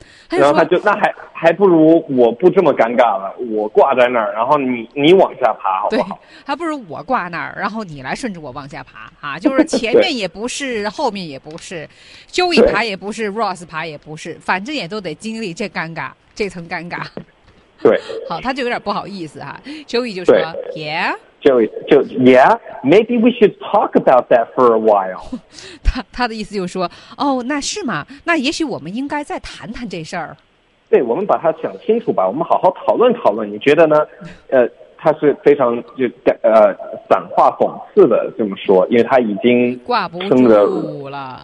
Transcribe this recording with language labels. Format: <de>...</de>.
<zh>然后他就那还不如我不这么尴尬了，我挂在那儿，然后你往下爬好不好？对，还不如我挂那儿，然后你来顺着我往下爬啊，就是前面也不是，后面也不是 ，Joey 爬也不是 ，Ross 爬也不是，反正也都得经历这尴尬，这层尴尬。对，好，他就有点不好意思哈 ，Joey 就说 ，Yeah。</zh> <en>Yeah, maybe we should talk about that for a while.</en> <zh>他的意思就是说，哦，那是吗？那也许我们应该再谈谈这事儿。对，我们把它想清楚吧，我们好好讨论讨论。你觉得呢？他是非常就散话讽刺的这么说，因为他已经挂不住了。</zh>